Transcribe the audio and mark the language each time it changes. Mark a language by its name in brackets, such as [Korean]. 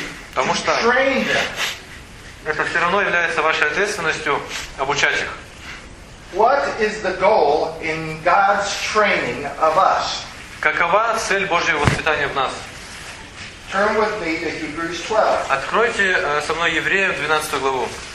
[Russian] Потому что это все равно является вашей ответственностью обучать их. [English] What is the goal in God's training of us? [Russian] Какова цель Божьего воспитания в нас? [English] Turn with me to Hebrews 12. [Russian] Откройте со мной Евреям 12 главу.